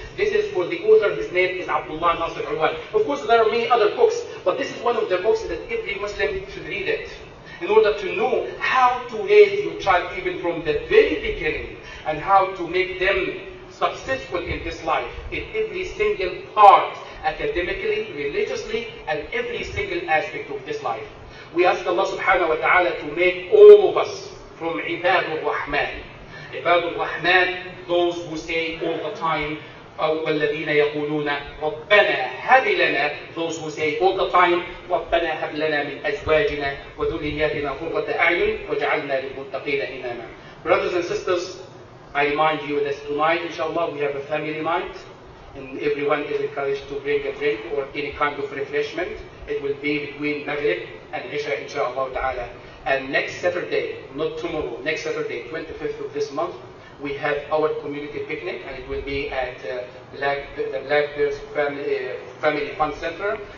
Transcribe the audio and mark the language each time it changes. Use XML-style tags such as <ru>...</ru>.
<en>This is for the author, his name is Abdullah Nasir Urwan. Of course, there are many other books, but this is one of the books that every Muslim should read it in order to know how to raise your child even from the very beginning and how to make them successful in this life in every single part, academically, religiously, and every single aspect of this life. We ask Allah subhanahu wa ta'ala to make all of us from Ibad al-Rahman. Ibad al-Rahman, those who say all the time,</en> <ar>وَالَّذِينَ يَقُولُونَ رَبَّنَا هَبْ لَنَا,</ar> <en>those who say all the time,</en> <ar>رَبَّنَا هَبْ لَنَا مِنْ أَزْوَاجِنَا وَذُرِّيَّاتِنَا قُرَّةَ أَعْيُنٍ وَجَعَلْنَا لِلْمُتَّقِينَ إِمَامًا.</ar> <en>Brothers and sisters, I remind you that tonight, inshallah, we have a family night, and everyone is encouraged to bring a drink or any kind of refreshment. It will be between Maghrib and Isha, inshallah ta'ala. And next Saturday, not tomorrow, next Saturday, 25th of this month, we have our community picnic, and it will be at the Black Bears Family Fun Center.</en>